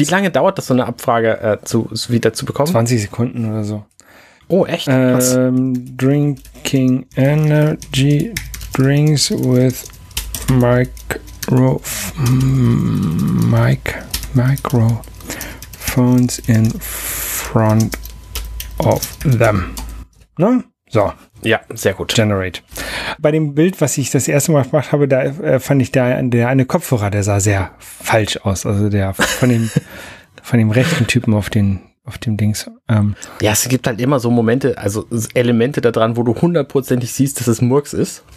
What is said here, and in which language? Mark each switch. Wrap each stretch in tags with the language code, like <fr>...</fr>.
<de>Wie lange dauert das, so eine Abfrage wieder zu bekommen? 20 Sekunden oder so. Oh, echt?</de> <en>Drinking energy drinks with microphones in front of them.</en> <de>Ne? So. Ja, sehr gut. Generate. Bei dem Bild, was ich das erste Mal gemacht habe, da fand ich der eine Kopfhörer, der sah sehr falsch aus. Also der von dem rechten Typen auf dem Dings. Ja, es gibt halt immer so Momente, also Elemente da dran, wo du hundertprozentig siehst, dass es Murks ist.</de>